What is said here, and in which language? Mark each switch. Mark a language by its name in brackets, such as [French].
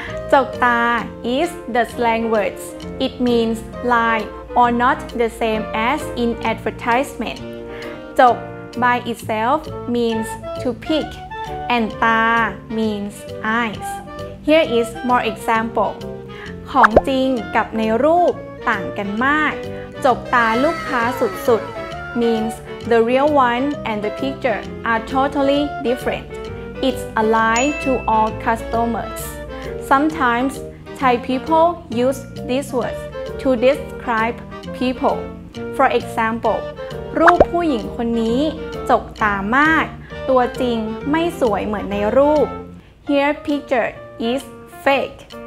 [English] Chok Ta is the slang words. It means lie or not the same as in advertisement. Chok by itself means to pick, and Ta means eyes. Here is more example. [Thai] ของจริงกับในรูปต่างกันมากจกตาลูกค้าสุดๆ [English] means the real one and the picture are totally different. It's a lie to all customers. Sometimes Thai people use these words to describe people. For example, [Thai] รูปผู้หญิงคนนี้จกตามากตัวจริงไม่สวยเหมือนในรูป [English] Here picture is fake.